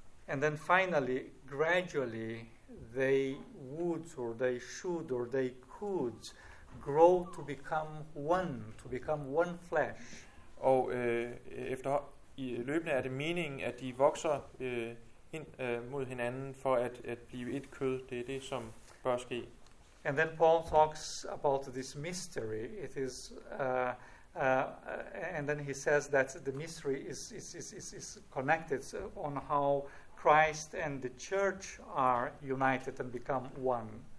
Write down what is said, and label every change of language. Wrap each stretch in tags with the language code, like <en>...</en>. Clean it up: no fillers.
<en>And then finally, gradually, they would or they should or they could grow to become one, to become one flesh.</en> <da>Og efter i løbende er det meningen, at de vokser ind mod hinanden for at blive et kød. Det er det, som bør ske.</da> <en>And then Paul talks about this mystery. It is, and then he says that the mystery is connected on how Christ and the church are united and become one.</en>